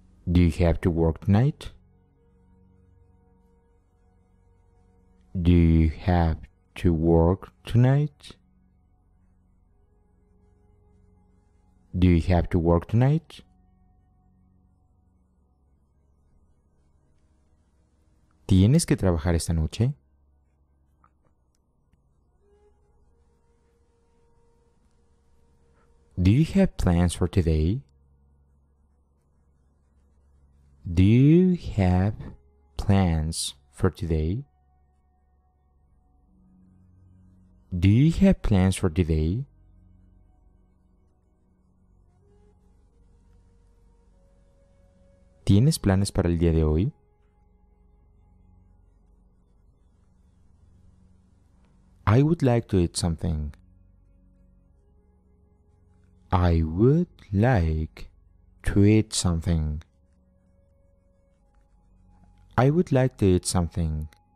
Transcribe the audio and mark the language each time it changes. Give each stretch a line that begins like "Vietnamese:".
English: Do you have to work tonight? Do you have to work tonight? Do you have to work tonight?
Spanish: ¿Tienes que trabajar esta noche?
English: Do you have plans for today? Do you have plans for today? Do you have plans for today?
Spanish: ¿Tienes planes para el día de hoy?
English: I would like to eat something. I would like to eat something. I would like to eat something.